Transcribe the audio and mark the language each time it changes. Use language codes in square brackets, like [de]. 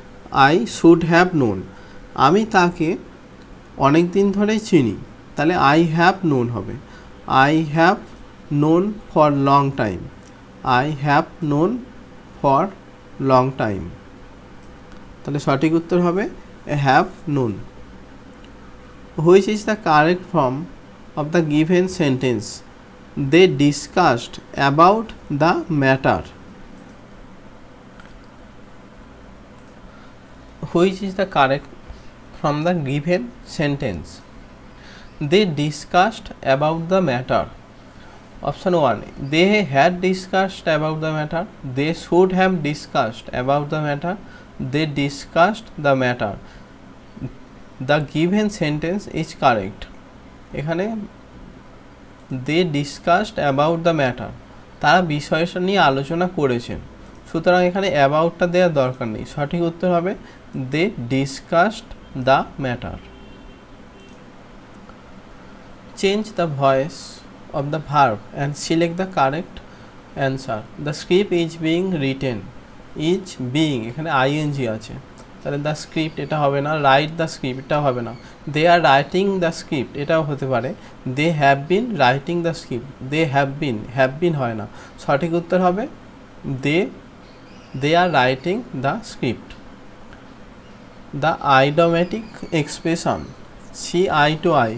[en] I should have known. [bn] আমি তাকে অনেক দিন ধরেই চিনি. [en] তাহলে I have known হবে. I have known for long time. I have known for long time. [bn] তাহলে সঠিক উত্তর হবে [en] I have known. Which is the correct form of the given sentence? They discussed about the matter. Which is the correct from the given sentence? They discussed about the matter. Option 1. They had discussed about the matter. They should have discussed about the matter. They discussed the matter. The given sentence is correct. এখানে they discussed about the matter. [bn] তারা বিষয়টা নিয়ে আলোচনা করেছেন। সুতরাং এখানে aboutটা দেওয়ার দরকার নেই। সঠিক উত্তর হবে [en] they discussed the matter. Change the voice of the verb and select the correct answer. The script is being written. Is being [bn] এখানে ing আছে। তাহলে [en] the script [bn] এটা হবে না [en] write the script [bn] এটাও হবে না [en] they are writing the script [bn] এটাও হতে পারে [en] they have been writing the script they have been [bn] হয় না সঠিক উত্তর হবে [en] they are writing the script the idiomatic expression C I two